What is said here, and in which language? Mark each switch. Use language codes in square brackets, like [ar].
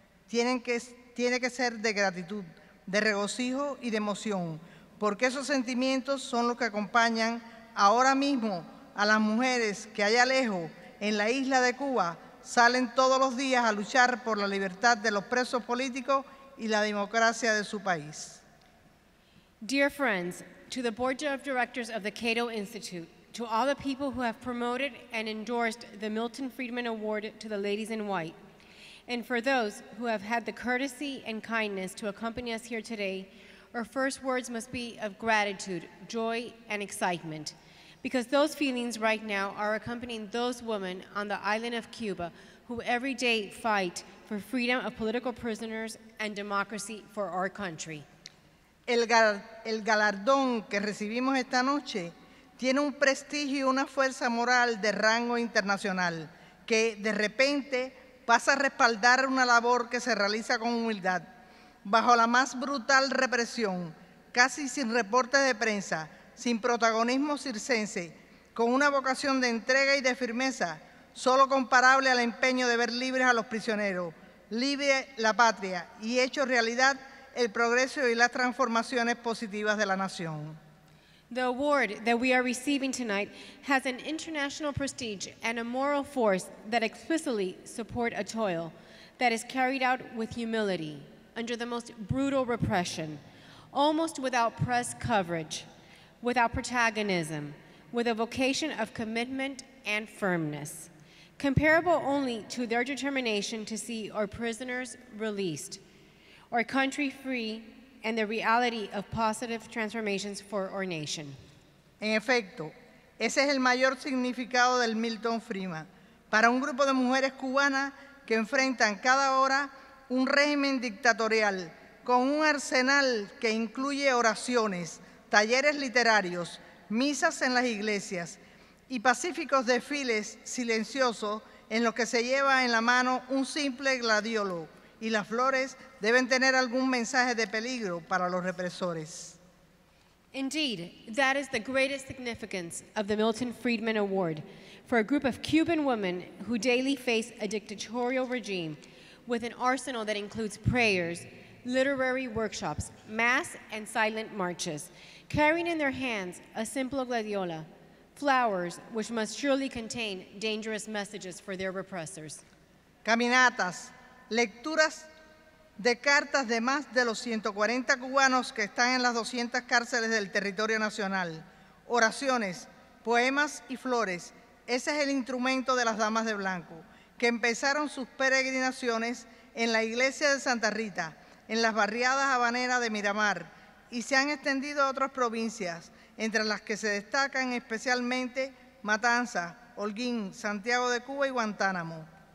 [es] Tiene que ser de gratitud, de regocijo y de emoción, porque esos sentimientos son los que acompañan ahora mismo a las mujeres que allá lejos, en la isla de Cuba, salen todos los días a luchar por la libertad de los presos políticos y la democracia de su país. [en] Dear friends, to the Board of Directors of the Cato Institute, to all the people who have promoted and endorsed the Milton Friedman Award to the Ladies in White, and for those who have had the courtesy and kindness to accompany us here today, our first words must be of gratitude, joy, and excitement, because those feelings right now are accompanying those women on the island of Cuba who every day fight for freedom of political prisoners and democracy for our country. [es] El galardón que recibimos esta noche tiene un prestigio y una fuerza moral de rango internacional que de repente pasa a respaldar una labor que se realiza con humildad bajo la más brutal represión, casi sin reportes de prensa, sin protagonismo circense, con una vocación de entrega y de firmeza, solo comparable al empeño de ver libres a los prisioneros, libre la patria y hecho realidad el progreso y las transformaciones positivas de la nación. [en] The award that we are receiving tonight has an international prestige and a moral force that explicitly support a toil that is carried out with humility, under the most brutal repression, almost without press coverage, without protagonism, with a vocation of commitment and firmness, comparable only to their determination to see our prisoners released, our country free, and the reality of positive transformations for our nation. [es] En efecto, ese es el mayor significado del Milton Friedman para un grupo de mujeres cubanas que enfrentan cada hora un régimen dictatorial con un arsenal que incluye oraciones, talleres literarios, misas en las iglesias y pacíficos desfiles silenciosos en los que se lleva en la mano un simple gladiolo y las flores deben tener algún mensaje de peligro para los represores. [en] Indeed, that is the greatest significance of the Milton Friedman Award for a group of Cuban women who daily face a dictatorial regime with an arsenal that includes prayers, literary workshops, mass, and silent marches, carrying in their hands a simple gladiola, flowers which must surely contain dangerous messages for their repressors. [es] Caminatas, lecturas de cartas de más de los 140 cubanos que están en las 200 cárceles del territorio nacional. Oraciones, poemas y flores. Ese es el instrumento de las Damas de Blanco, que empezaron sus peregrinaciones en la iglesia de Santa Rita, en las barriadas habaneras de Miramar, y se han extendido a otras provincias, entre las que se destacan especialmente Matanzas, Holguín, Santiago de Cuba y Guantánamo.